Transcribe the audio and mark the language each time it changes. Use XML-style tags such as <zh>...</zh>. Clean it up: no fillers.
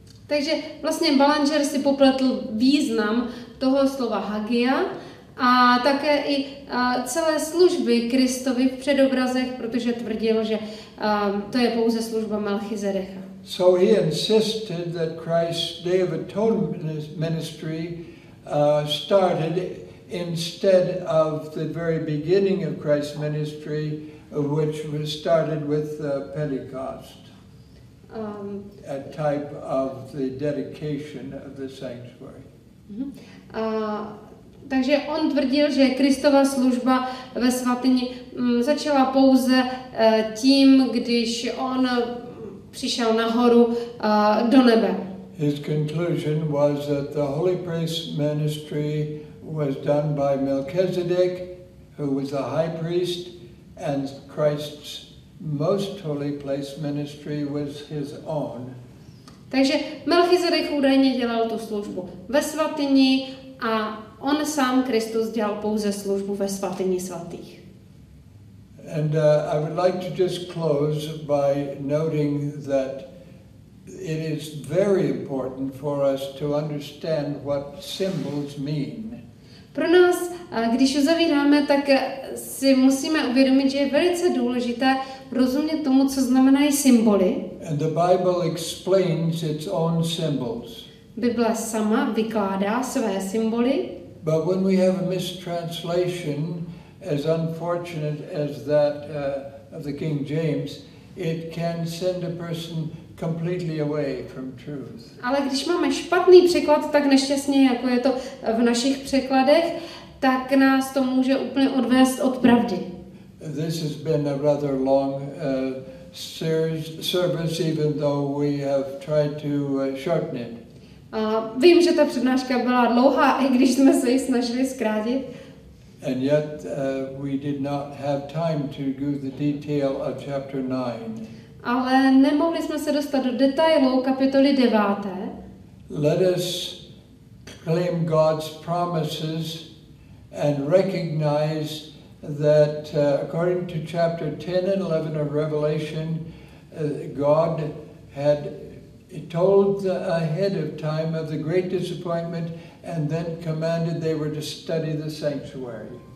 <cs>Takže vlastně Ballinger si popletl význam toho slova Hagia a také i celé služby Kristovy v předobrazech, protože tvrdil, že to je pouze služba Melchizedeka.</cs> <en>So he insisted that Christ's Day of Atonement ministry started instead of the very beginning of Christ's ministry, which was started with Pentecost, a type of the dedication of the sanctuary.</en> <cs>Takže on tvrdil, že Kristova služba ve svatyni začala pouze tím, když on přišel nahoru do nebe.</cs> <en>His conclusion was that the holy priest ministry was done by Melchizedek, who was the high priest, and Christ's most holy place ministry was his own.</en> <cs>Takže Melchizedek údajně dělal tu službu ve svatyni a on sám Kristus dělal pouze službu ve svatyni svatých.</cs> <en>And I would like to just close by noting that it is very important for us to understand what symbols mean.</en> <cs>Pro nás, když uzavíráme, tak si musíme uvědomit, že je velice důležité rozumět tomu, co znamenají symboly.</cs> <en>And the Bible explains its own symbols.</en> <cs>Bible sama vykládá své symboly.</cs> <en>But when we have a mistranslation, as unfortunate as that of the King James, it can send a person completely away from truth.</en> <cs>Ale když máme špatný překlad, tak nešťastně, jako je to v našich překladech, tak nás to může úplně odvést od pravdy.</cs> <en>This has been a rather long service, even though we have tried to shorten it.</en> <cs>Vím, že ta přednáška byla dlouhá, i když jsme se ji snažili zkrátit.</cs> <en>And yet we did not have time to go the detail of chapter 9.</en> <cs>Ale nemohli jsme se dostat do detailů kapitoly 9.</cs> <en>Let us claim God's promises and recognize that according to chapter 10 and 11 of Revelation, God had told ahead of time of the great disappointment and then commanded they were to study the sanctuary.</en>